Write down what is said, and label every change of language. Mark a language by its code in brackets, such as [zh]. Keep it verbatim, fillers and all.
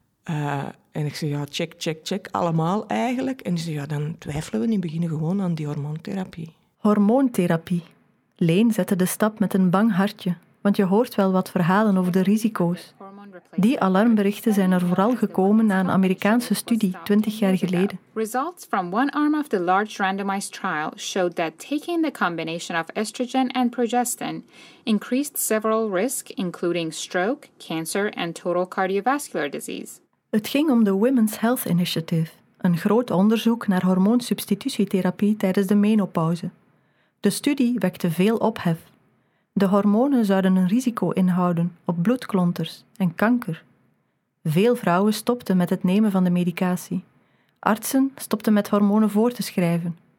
[nl] Uh, en ik zei, ja, check, check, check, allemaal eigenlijk. En die zei, ja, dan twijfelen we en beginnen gewoon aan die hormoontherapie. Hormoontherapie. Leen zette de stap met een bang hartje. Want je hoort wel wat verhalen over de risico's. Die alarmberichten zijn er vooral gekomen na een Amerikaanse studie twintig jaar geleden. [en] Results from one arm of the large randomized trial showed that taking the combination of estrogen and progestin increased several risks, including stroke, cancer and total cardiovascular disease. [nl] Het ging om de Women's Health Initiative, een groot onderzoek naar hormoonsubstitutietherapie tijdens de menopauze. De studie wekte veel ophef. De hormonen zouden een risico inhouden op bloedklonters en kanker. Veel vrouwen stopten met het nemen van de medicatie. Artsen stopten met hormonen voor te schrijven.